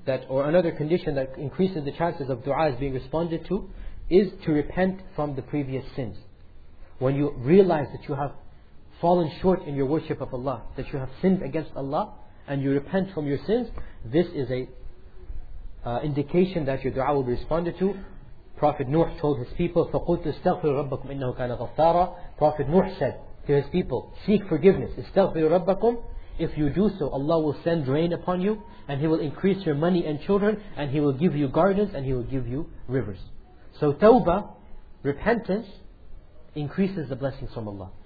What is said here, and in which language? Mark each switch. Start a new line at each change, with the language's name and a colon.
English: Another condition that increases the chances of dua is being responded to is to repent from the previous sins. When you realize that you have fallen short in your worship of Allah, that you have sinned against Allah, and you repent from your sins, this is a indication that your dua will be responded to. Prophet Nuh told his people,
Arabic: فَقُلْتُ اسْتَغْفِرُ رَبَّكُمْ إِنَّهُ كَانَ غَفَّارًا.
English: Prophet Nuh said to his people, seek forgiveness.
Arabic: اسْتَغْفِرُ رَبَّكُمْ.
English: If you do so, Allah will send rain upon you, and He will increase your money and children, and He will give you gardens, and He will give you rivers. So tawbah, repentance, increases the blessings from Allah.